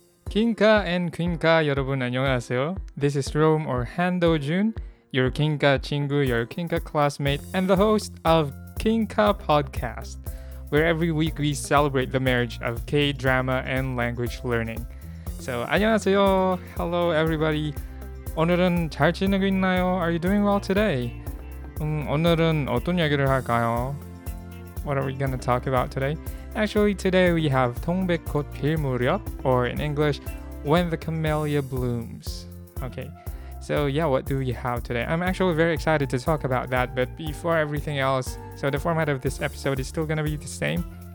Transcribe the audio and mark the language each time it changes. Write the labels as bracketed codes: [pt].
[ko] Kinka and Quinka, 여러분 안녕하세요. [en] This is Rome or Hando Jun, your Kinka 친구, your Kinka classmate, and the host of Kinka Podcast, where every week we celebrate the marriage of K-drama and language learning. So, [ko] 안녕하세요. [en] Hello, everybody. [ko] 오늘은 잘 지내고 있나요? [en] Are you doing well today? [ko] 오늘은 어떤 이야기를 할까요? [en] What are we gonna talk about today? Actually, today we have 통백꽃 필 무렵, or in English, When the Camellia Blooms. Okay, so yeah, what do we have today? I'm actually very excited to talk about that, but before everything else, so the format of this episode is still gonna be the same.